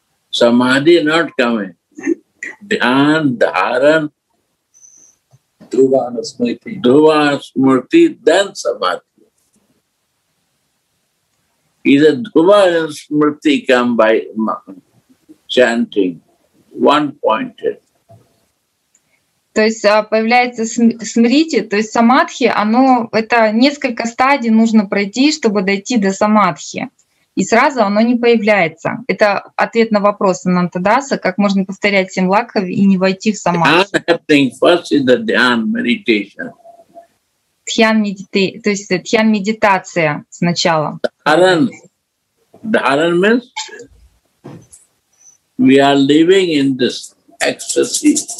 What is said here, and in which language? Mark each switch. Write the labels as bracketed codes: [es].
[en] Samadhi not coming. Dhyan, dharan, dhruva, smriti, then samadhi. Either dhruva and smriti come by chanting one-pointed. [ru] То есть появляется смрити, то есть самадхи, оно, это несколько стадий нужно пройти, чтобы дойти до самадхи. И сразу оно не появляется. Это ответ на вопрос Анантадаса, как можно повторять семь лакхов и не войти в самадхи. Тхьян медитация сначала. [en] Dharan. Dharan means we are living in this ecstasy.